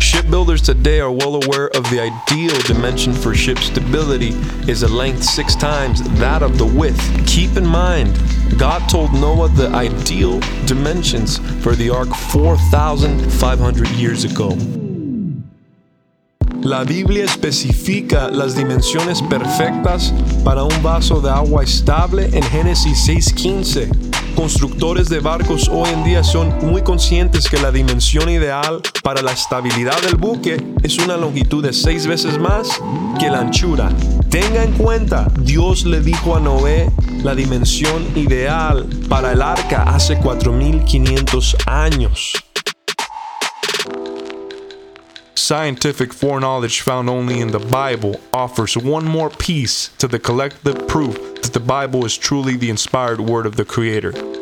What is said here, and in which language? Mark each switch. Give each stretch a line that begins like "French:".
English: Shipbuilders today are well aware of the ideal dimension for ship stability is a length 6 times that of the width. Keep in mind, God told Noah the ideal dimensions for the ark 4,500 years ago.
Spanish: La Biblia especifica las dimensiones perfectas para un vaso de agua estable en Génesis 6:15. Constructores de barcos hoy en día son muy conscientes que la dimensión ideal para la estabilidad del buque es una longitud de 6 veces más que la anchura. Tenga en cuenta, Dios le dijo a Noé la dimensión ideal para el arca hace 4.500 años.
English: Scientific foreknowledge found only in the Bible offers one more piece to the collective proof that the Bible is truly the inspired word of the Creator.